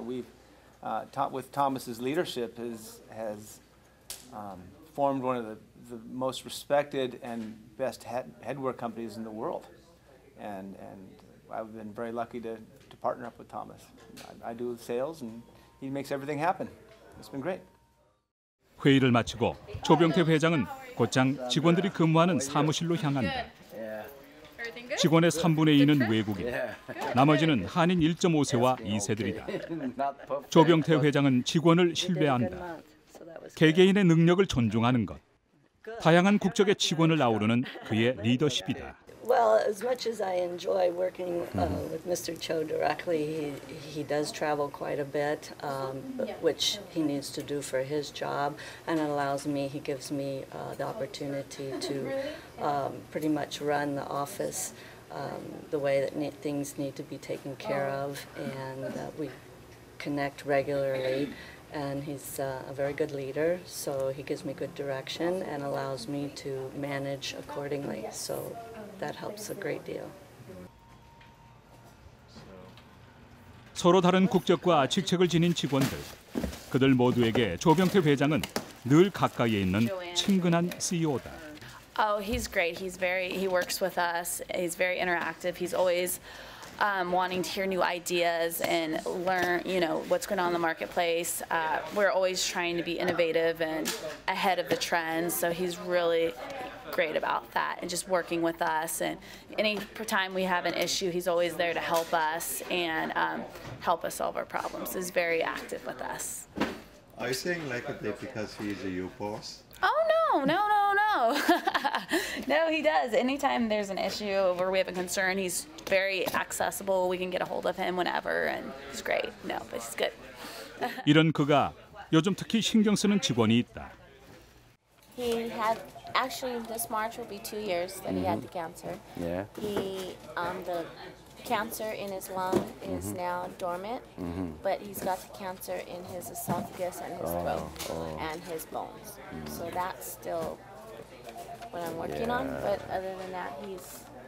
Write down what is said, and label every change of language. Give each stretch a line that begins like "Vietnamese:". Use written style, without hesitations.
English: You know, we've with Thomas's leadership has formed one of the most respected and best headwear companies in the world, and I've been very lucky to partner up with Thomas. I do sales, and he makes everything happen. It's been great.
Korean: 회의를 마치고 조병태 회장은 곧장 직원들이 근무하는 사무실로 향한다. 직원의 3분의 2는 외국인, 나머지는 한인 1.5세와 2세들이다. 조병태 회장은 직원을 신뢰한다. 개개인의 능력을 존중하는 것, 다양한 국적의 직원을 아우르는 그의 리더십이다.
English: Well, as much as I enjoy working with Mr. Cho directly, he does travel quite a bit, which he needs to do for his job, and it allows me, he gives me the opportunity to pretty much run the office the way that things need to be taken care of, and we connect regularly, and he's a very good leader, so he gives me good direction and allows me to manage accordingly, so that helps a great deal.
Korean: 서로 다른 국적과 직책을 지닌 직원들. 그들 모두에게 조병태 회장은 늘 가까이에 있는 친근한 CEO다.
English: Oh, he's great. He works with us. He's very interactive. He's always wanting to hear new ideas and learn, you know, what's going on in the marketplace. We're always trying to be innovative and ahead of the trends. So he's really great about that and just working with us. And any time we have an issue, he's always there to help us and help us solve our problems. He's very active with us. Are you saying like a bit because he's a your boss? Oh, no. No, he does. Anytime there's an issue or we have a concern, he's very accessible. We can get a hold of him whenever, and he's great. No, but he's good.
Korean: 이런 그가 요즘 특히 신경 쓰는 직원이 있다.
English: He had, actually, this March will be 2 years that he had the cancer. Yeah. He, the cancer in his lung is now dormant, but he's got the cancer in his esophagus and his throat and his bones. So that's still what I'm working on, but other than that, he's...